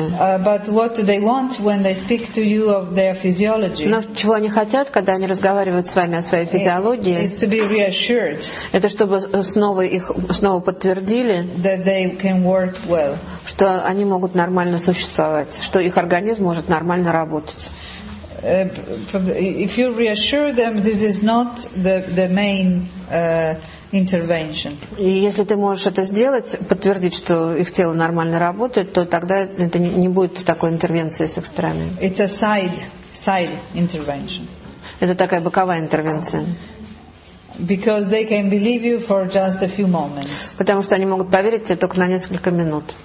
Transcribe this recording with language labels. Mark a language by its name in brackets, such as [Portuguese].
[English] But what do they want when they speak to you of their physiology? [Russian] Но чего они хотят, когда они разговаривают с вами о своей физиологии? [English] It's to be reassured. [Russian] Это чтобы снова их снова подтвердили. [English] That they can work well. [Russian] Что они могут нормально существовать, что их организм может нормально работать. [English] If you reassure them, this is not the main intervention. [Russian] И если ты можешь это сделать, подтвердить, что их тело нормально работает, то тогда это не будет такой интервенцией с их стороны. [English] It's a side intervention. [Russian] Это такая боковая интервенция. [English] Because they can believe you for just a few moments. [Russian] Потому что они могут поверить тебе только на несколько минут.